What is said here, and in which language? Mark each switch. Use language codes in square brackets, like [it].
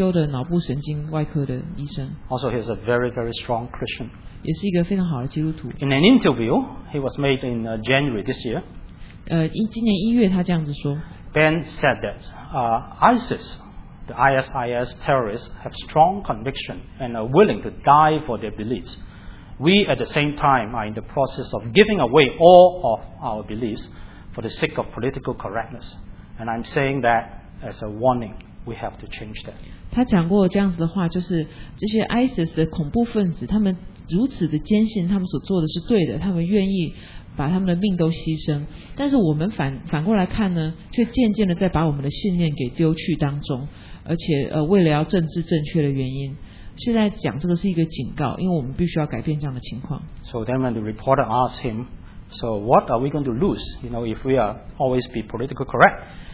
[zh] 他是非常有名,但是现在已经退休的脑部神经外科的医生. [en] Also, he's a very, very strong Christian. [zh] 也是一个非常好的基督徒. [en] In an interview he was made in January this year, [zh] 今年1月他这样子说, [en] Ben said that ISIS, the ISIS terrorists, have strong conviction and are willing to die for their beliefs. We, at the same time, are in the process of giving away all of our beliefs for the sake of political correctness. And I'm saying that as a warning, we have to change that. [zh] 他讲过这样子的话,就是这些ISIS的恐怖分子,他们如此的坚信他们所做的是对的,他们愿意 把他们的命都牺牲,但是我们反过来看呢,却渐渐的在把我们的信念给丢去当中,而且为了要政治正确的原因,现在讲这个是一个警告,因为我们必须要改变这样的情况。 [en] So then when the reporter asked him, so what are we going to lose, you know, if we are always be political correct?